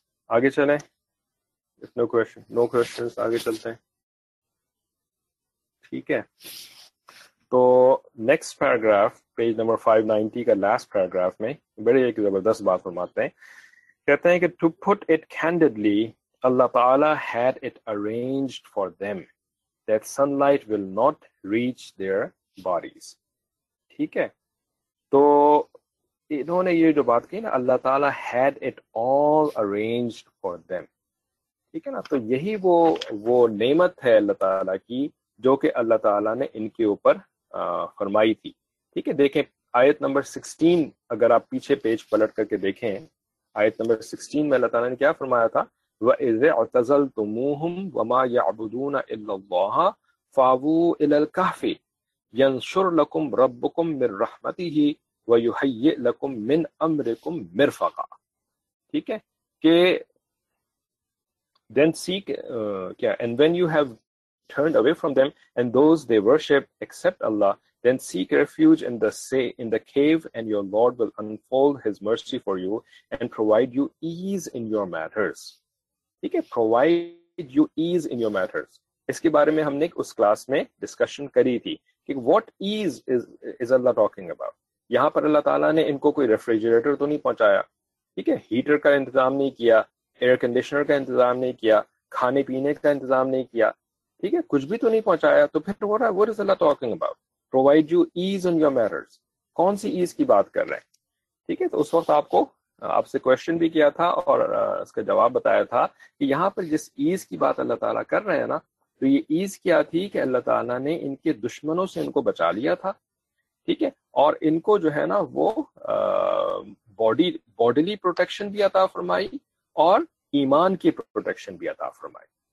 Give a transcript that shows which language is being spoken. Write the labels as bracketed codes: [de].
[ur] آگے چلیں, if no question, know questions, آگے چلتے ہیں, ٹھیک ہے. تو نیکسٹ پیراگراف پیج نمبر 590 کا لاسٹ پیراگراف میں بڑے ایک زبردست بات فرماتے ہیں, کہتے ہیں کہ [en] To put it candidly اللہ تعالی had it arranged for them, that sunlight will not reach their bodies. [ur] ٹھیک ہے, تو انہوں نے یہ جو بات کہی نا, اللہ تعالیٰ [en] had it all arranged for them. [ur] ٹھیک ہے نا, تو یہی وہ نعمت ہے اللہ تعالیٰ کی جو کہ اللہ تعالیٰ نے ان کے اوپر فرمائی تھی. ٹھیک ہے, دیکھیں آیت نمبر 16, اگر آپ پیچھے پیج پلٹ کر کے دیکھیں آیت نمبر 16 میں اللہ تعالیٰ نے کیا فرمایا تھا, [ar] وَإِذِ اعْتَزَلْتُمُوهُمْ وَمَا يَعْبُدُونَ إِلَّا اللَّهَ فَاوُوا إِلَى الْكَهْفِ يَنشُرْ لَكُمْ رَبُّكُمْ مِنْ رَحْمَتِهِ وَيُهَيِّئْ لَكُمْ مِنْ أَمْرِكُمْ مِرْفَقًا. [ur] ٹھیک ہے, کہ [en] then seek کیا, and when you have turned away from them and those they worship except Allah, then seek refuge in the cave and your Lord will unfold his mercy for you and provide you ease in your matters. [ur] ٹھیک ہے, [en] provide you ease in your matters. [ur] اس کے بارے میں ہم نے اس class میں discussion کری تھی کہ [en] what ease is Allah talking about. [ur] یہاں پر اللہ تعالیٰ نے ان کو کوئی ریفریجریٹر تو نہیں پہنچایا, ٹھیک ہے, ہیٹر کا انتظام نہیں کیا, ایئر کنڈیشنر کا انتظام نہیں کیا, کھانے پینے کا انتظام نہیں کیا, ٹھیک ہے, کچھ بھی تو نہیں پہنچایا. تو پھر [en] what is Allah talking about? Provide you ease in your matters. [ur] کون سی ایز کی بات کر رہے ہیں؟ ٹھیک ہے, تو اس وقت آپ کو آپ سے کوشچن بھی کیا تھا اور اس کا جواب بتایا تھا کہ یہاں پر جس ایز کی بات اللہ تعالیٰ کر رہے ہیں نا, تو یہ ایز کیا تھی کہ اللہ تعالیٰ نے ان کے دشمنوں سے ان کو بچا لیا تھا, ٹھیک ہے, اور ان کو جو ہے نا وہ باڈیلی پروٹیکشن بھی عطا فرمائی اور ایمان کی پروٹیکشن بھی عطا فرمائی.